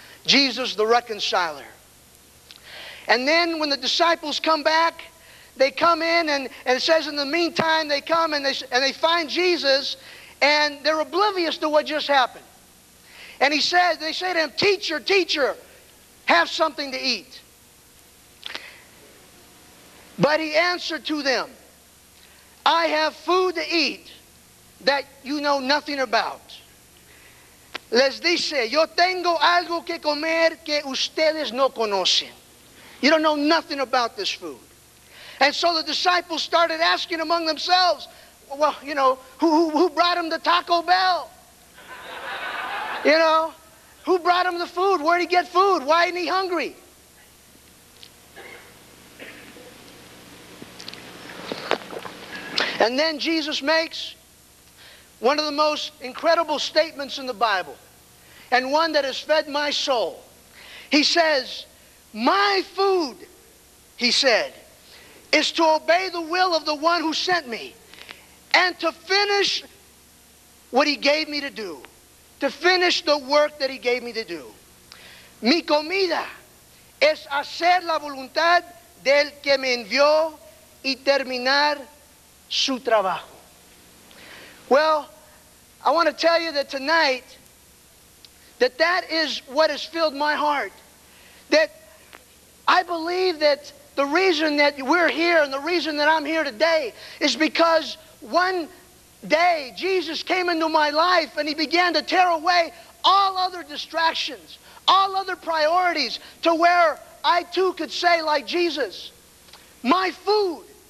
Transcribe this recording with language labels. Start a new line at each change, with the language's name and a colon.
English: Jesus the reconciler. And then when the disciples come back, they come in, and it says in the meantime, they come and they find Jesus, and they're oblivious to what just happened. And they say to him, teacher, teacher, have something to eat. But he answered to them, I have food to eat that you know nothing about.
Spanish: Les dice, yo tengo algo que comer que ustedes no conocen.
English: You don't know nothing about this food. And so the disciples started asking among themselves, well, you know, who brought him the Taco Bell? You know, who brought him the food? Where'd he get food? Why isn't he hungry? And then Jesus makes one of the most incredible statements in the Bible, and one that has fed my soul. He says, my food, he said, is to obey the will of the one who sent me and to finish what he gave me to do, to finish the work that he gave me to do.
Spanish: Mi comida es hacer la voluntad del que me envió y terminar su trabajo.
English: Well, I want to tell you that tonight, that is what has filled my heart, that I believe that the reason that we're here and the reason that I'm here today is because one day Jesus came into my life and he began to tear away all other distractions, all other priorities, to where I too could say like Jesus, my food